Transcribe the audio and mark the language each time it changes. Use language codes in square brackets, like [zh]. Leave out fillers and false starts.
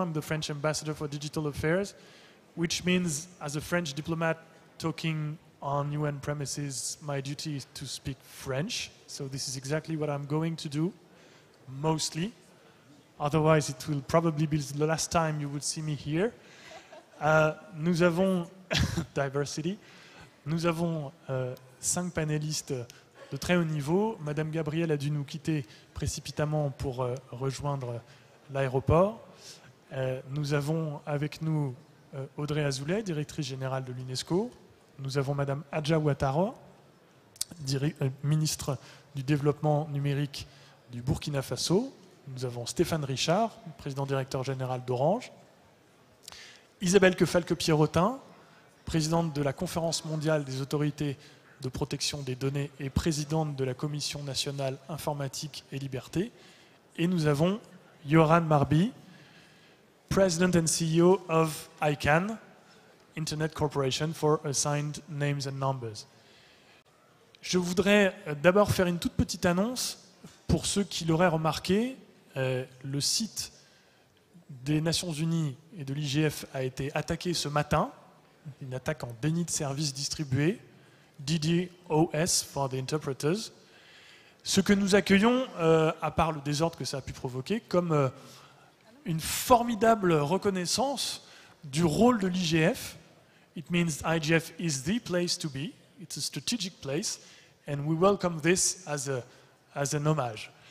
[en] I'm the French ambassador for digital affairs, which means, as a French diplomat talking on UN premises, my duty is to speak French. So this is exactly what I'm going to do, mostly. Otherwise, it will probably be the last time you would see me here. [fr] Nous avons diversity. Nous avons cinq panélistes de très haut niveau. Madame Gabrielle a dû nous quitter précipitamment pour rejoindre l'aéroport. Nous avons avec nous Audrey Azoulay, directrice générale de l'UNESCO. Nous avons Madame Hadja Ouattara, ministre du développement numérique du Burkina Faso. Nous avons Stéphane Richard, président directeur général d'Orange. Isabelle Kefalque-Pierrotin, présidente de la Conférence mondiale des autorités de protection des données et présidente de la Commission nationale informatique et liberté. Et nous avons [en] Yoran Marbi, President and CEO of ICANN, Internet Corporation for Assigned Names and Numbers. [fr] Je voudrais d'abord faire une toute petite annonce pour ceux qui l'auraient remarqué. Le site des Nations Unies et de l'IGF a été attaqué ce matin. Une attaque en déni de service distribué. DDoS [en] for the interpreters. [fr] Ce que nous accueillons, à part le désordre que ça a pu provoquer, comme une formidable reconnaissance du rôle de l'IGF. [en] It means IGF is the place to be. It's a strategic place, and we welcome this as an homage.